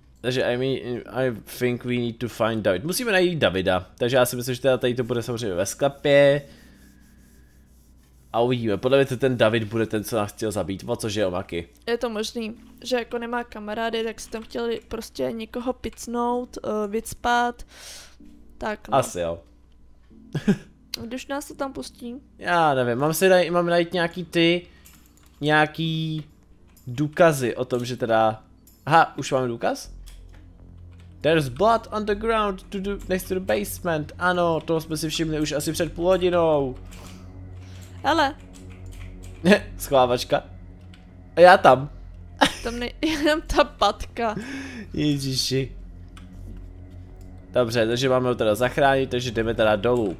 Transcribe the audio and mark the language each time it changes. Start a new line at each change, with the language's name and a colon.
English: Takže I think we need to find David.
Czech: Musíme najít Davida. Takže já si myslím, že teda tady to bude samozřejmě ve sklepě. A uvidíme. Podle mě to ten David bude ten, co nás chtěl zabít. O cože, jo, Maky? Je to možný, že jako nemá kamarády, tak si tam chtěli prostě někoho picnout, vyspat. Tak no. Asi jo. Když nás to tam pustí? Já nevím, mám najít nějaký ty, nějaký důkazy o tom, že teda... Aha, už máme důkaz?
English: There's blood on the ground to the, next to the basement.
Czech: Ano, to jsme si všimli už asi před půl hodinou. Ale. Schovávačka. A já tam. Tam jenom ta patka. Ježiši. Dobře, takže máme ho teda zachránit, takže jdeme teda dolů.